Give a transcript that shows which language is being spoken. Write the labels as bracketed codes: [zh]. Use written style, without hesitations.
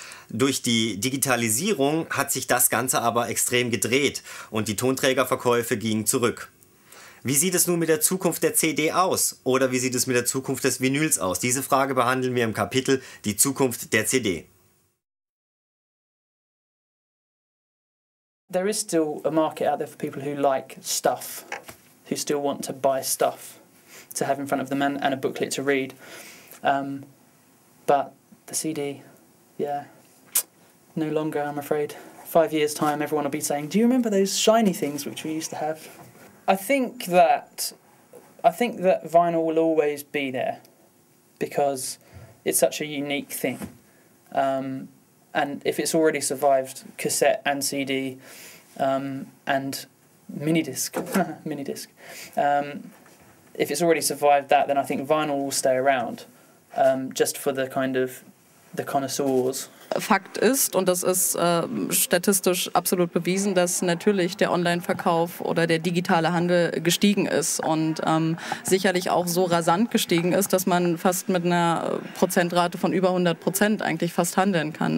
[de] Durch die Digitalisierung hat sich das Ganze aber extrem gedreht und die Tonträgerverkäufe gingen zurück. Wie sieht es nun mit der Zukunft der CD aus oder wie sieht es mit der Zukunft des Vinyls aus? Diese Frage behandeln wir im Kapitel Die Zukunft der CD. [en] There is still a market out there for people who like stuff, who still want to buy stuff to have in front of them and a booklet to read. But the CD, yeah, no longer, I'm afraid. 5 years' time, everyone will be saying, do you remember those shiny things which we used to have? I think that vinyl will always be there because it's such a unique thing. And if it's already survived cassette and CD, and mini disc. If it's already survived that, then I think vinyl will stay around, just for the kind of the connoisseurs. [de] Fakt ist, und das ist statistisch absolut bewiesen, dass natürlich der Online-Verkauf oder der digitale Handel gestiegen ist und sicherlich auch so rasant gestiegen ist, dass man fast mit einer Prozentrate von über 100% eigentlich fast handeln kann.